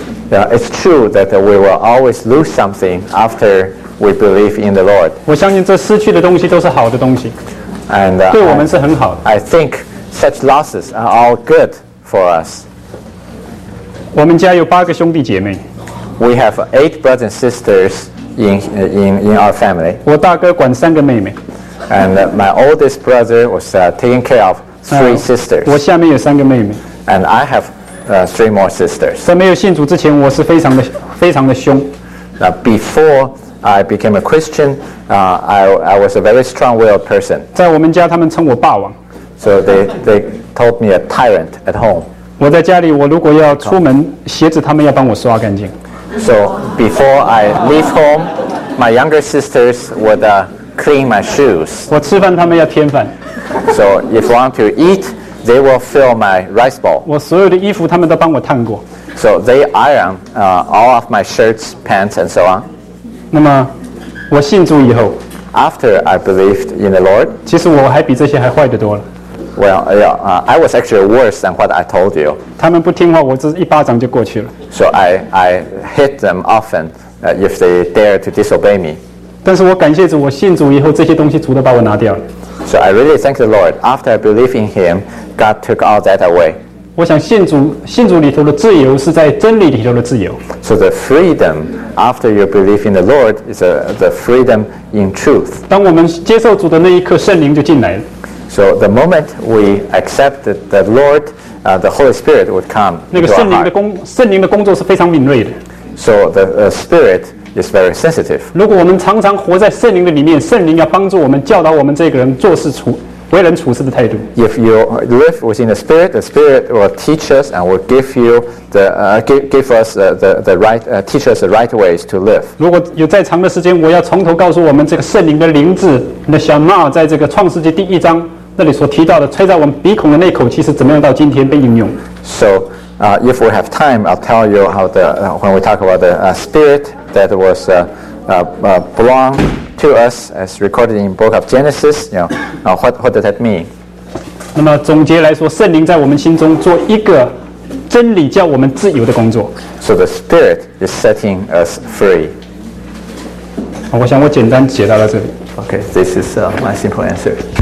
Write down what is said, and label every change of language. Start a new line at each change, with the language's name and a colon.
English: Yeah, it's true that we will always lose something after we believe in the Lord.
Chinese: 我相信这失去的东西都是好的东西。
English: And,
Chinese: 对我们是很好的。
English: I think such losses are all good for us.
Chinese: 我们家有八个兄弟姐妹。
English: We have eight brothers and sisters in our family.
Chinese: 我大哥管三个妹妹。
English: And my oldest brother was taking care of three sisters.
Chinese: 我下面有三个妹妹。
English: And I have three more sisters.
Chinese: 在没有信主之前，我是非常的非常的凶。
English: Before I became a Christian, I was a very strong-willed person.
Chinese: 在我们家，他们称我霸王。
English: So they told me a tyrant at home.
Chinese: 我在家里，我如果要出门，鞋子他们要帮我刷干净。
English: So before I leave home, my younger sisters would clean my shoes.
Chinese: 我吃饭，他们要添饭。
English: So if I want to eat, they will fill my rice bowl.
Chinese: 我所有的衣服，他们都帮我烫过。
English: So they iron all of my shirts, pants, and so on.
Chinese: 那么我信主以后
English: ，After I believed in the Lord，
Chinese: 其实我还比这些还坏得多了。
English: Well, yeah, I was actually worse than what I told you.
Chinese: 他们不听话，我这一巴掌就过去了。
English: So I hit them often, if they dare to disobey me.
Chinese: 但是我感谢主，我信主以后，这些东西主都把我拿掉了。
English: So I really thank the Lord. After I believe in Him, God took all that away.
Chinese: 我想信主里头的自由是在真理里头的自由。
English: So the freedom after you believe in the Lord is the freedom in truth.
Chinese: 当我们接受主的那一刻，圣灵就进来了。
English: So the moment we accepted the Lord, the Holy Spirit would come.
Chinese: 那个圣灵的工作是非常敏锐的。
English: So the Spirit is very sensitive.
Chinese: 如果我们常常活在圣灵的里面，圣灵要帮助我们教导我们这个人做事处为人处事的态度。
English: If you live within the Spirit will teach us and will teach us the right ways to live.
Chinese: 如果有再长的时间，我要从头告诉我们这个圣灵的灵字，那小纳在这个创世纪第一章。那里所提到的吹在我们鼻孔的那口气是怎么样到今天被应用
English: ？So, if we have time, I'll tell you how the when we talk about the spirit that was belonged to us as recorded in Book of Genesis. You know, what does that mean?
Chinese: 那么总结来说，圣灵在我们心中做一个真理叫我们自由的工作。
English: So the spirit is setting us free.
Chinese: 我想我简单解答到这里。
English: Okay, this is my simple answer.